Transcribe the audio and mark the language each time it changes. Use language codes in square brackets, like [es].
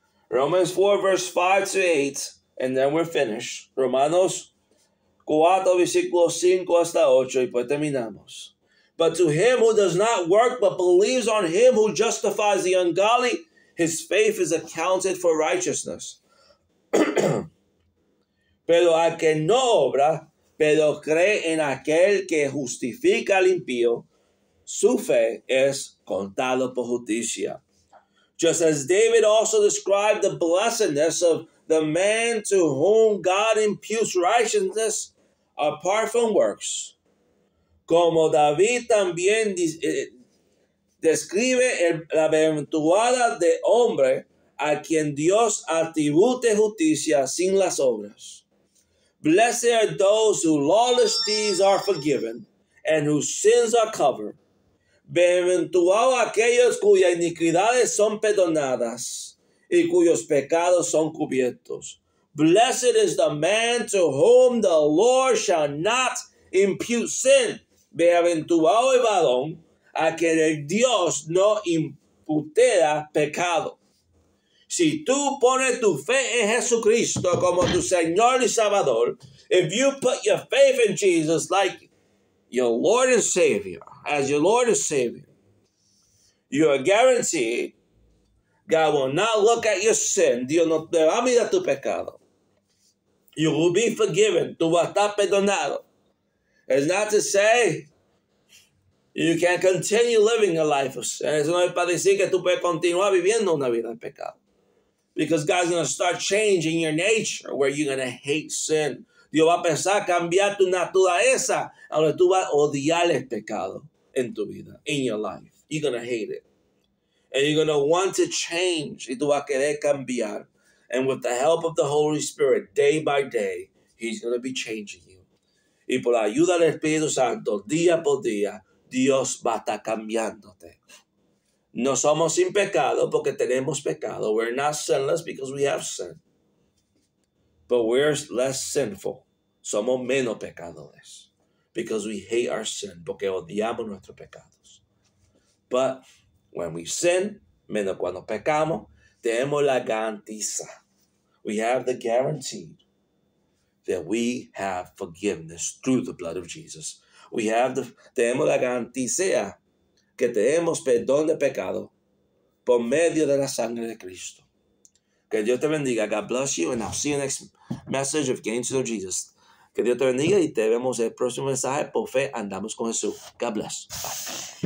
[en] Romans 4, verse 5 to 8, and then we're finished. [es] Romanos 4, versículo 5 hasta 8, y pues terminamos. [en] But to him who does not work but believes on him who justifies the ungodly, his faith is accounted for righteousness. [es] Pero al que no obra, pero cree en aquel que justifica al impío, su fe es contado por justicia. [en] Just as David also described the blessedness of the man to whom God imputes righteousness apart from works. [es] Como David también describe la bienaventurada de hombre a quien Dios atribute justicia sin las obras. [en] Blessed are those whose lawless deeds are forgiven and whose sins are covered. [es] Bienaventurados aquellos cuyas iniquidades son perdonadas y cuyos pecados son cubiertos. [en] Blessed is the man to whom the Lord shall not impute sin. [es] Bienaventurado el varón a quien el Dios no imputera pecado. Si tú pones tu fe en Jesucristo como tu Señor y Salvador, [en] if you put your faith in Jesus like your Lord and Savior, as your Lord and Savior, you are guaranteed God will not look at your sin. [es] Dios no te va a mirar tu pecado. [en] You will be forgiven. [es] Tú vas a estar perdonado. [en] It's not to say you can continue living a life of sin. [es] Es no para decir que tú puedes continuar viviendo una vida en pecado. [en] Because God's going to start changing your nature where you're going to hate sin. [es] Dios va a pensar cambiar tu naturaleza a donde tú vas a odiar el pecado en tu vida, [en] in your life. You're going to hate it. And you're going to want to change. [es] Y tú vas a querer cambiar. [en] And with the help of the Holy Spirit, day by day, he's going to be changing you. [es] Y por la ayuda del Espíritu Santo, día por día, Dios va a estar cambiándote. No somos sin pecado porque tenemos pecado. [en] We're not sinless because we have sin. But we're less sinful. [es] Somos menos pecadores. [en] Because we hate our sin. [es] Porque odiamos nuestros pecados. [en] But when we sin, [es] menos cuando pecamos, tenemos la garantía. [en] We have the guarantee that we have forgiveness through the blood of Jesus. We have the, [es] tenemos la garantía que tenemos perdón de pecado por medio de la sangre de Cristo. Que Dios te bendiga. [en] God bless you. And I'll see you next message of Getting to Know Jesus. [es] Que Dios te bendiga y te vemos el próximo mensaje. Por fe andamos con Jesús. [en] God bless. Bye.